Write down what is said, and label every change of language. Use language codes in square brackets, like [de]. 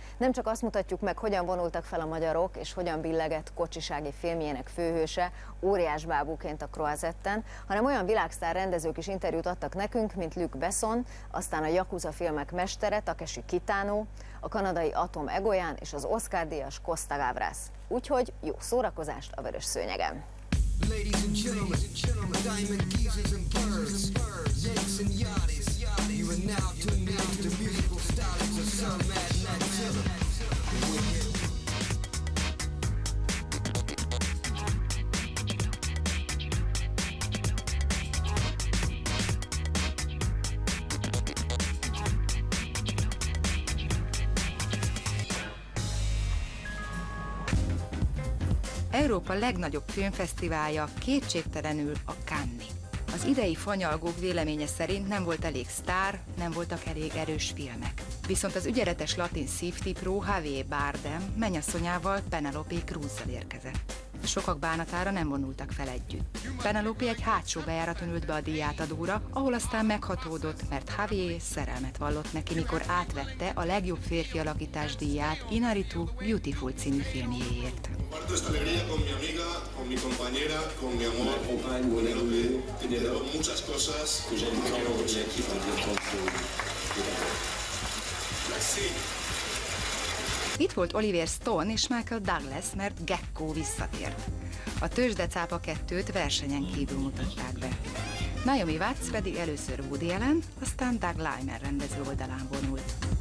[hu] Nem csak azt mutatjuk meg, hogyan vonultak fel a magyarok, és hogyan billegett Kocsisági filmjének főhőse, óriás bábúként a Croisetten, hanem olyan világsztár rendezők is interjút adtak nekünk, mint Luc Besson, aztán a Yakuza filmek mestere, Takeshi Kitano, a kanadai Atom Egoyan és az Oscar-díjas Costa Gavras. Úgyhogy jó szórakozást a vörös szőnyegen! [en] Ladies and gentlemen, diamond geezers and birds, yanks and yachties, you are now tuned in to musical stylings of some mad man chillin'. [hu] Európa legnagyobb filmfesztiválja kétségtelenül a Cannes. Az idei fanyalgók véleménye szerint nem volt elég sztár, nem voltak elég erős filmek. Viszont az ügyeletes latin szívtipró Javier Bardem menyasszonyával Penelope Cruzzal érkezett. Sokak bánatára nem vonultak fel együtt. Penelope egy hátsó bejáraton ült be a díjátadóra, ahol aztán meghatódott, mert Javier szerelmet vallott neki, mikor átvette a legjobb férfi alakítás díját Inarritu Beautiful című filmjéért. [es] Comparto esta alegría con mi amiga, con mi compañera, con mi amor, con mi compañero, que me ha dado muchas cosas que ya no quiero venir aquí para el concurso. [hu] Itt volt Oliver Stone és Michael Douglas, mert Gekko visszatért. A Tőzsdecápa 2-t versenyen kívül mutatták be. Naomi Watts pedig először Woody Allen, aztán Doug Liman rendező oldalán vonult.